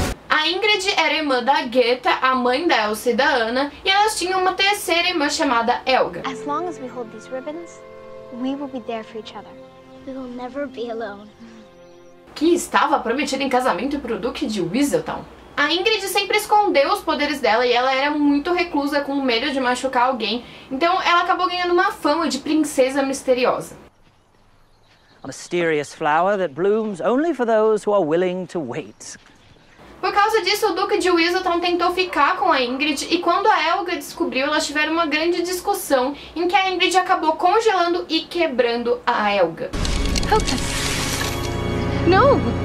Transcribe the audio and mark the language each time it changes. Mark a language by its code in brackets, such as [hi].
[pt] A Ingrid era irmã da Geta, a mãe da Elsa e da Anna, e elas tinham uma terceira irmã chamada Helga. [en] As long as we hold these ribbons, we will be there for each other. We will never be alone. [pt] Que estava prometida em casamento para o Duque de Weaseltown. A Ingrid sempre escondeu os poderes dela e ela era muito reclusa, com medo de machucar alguém, então ela acabou ganhando uma fama de princesa misteriosa. [en] Mysterious flower that blooms only for those who are willing to wait. [pt] Por causa disso, o Duque de Weaseltown tentou ficar com a Ingrid e quando a Helga descobriu, elas tiveram uma grande discussão em que a Ingrid acabou congelando e quebrando a Helga. [en] No.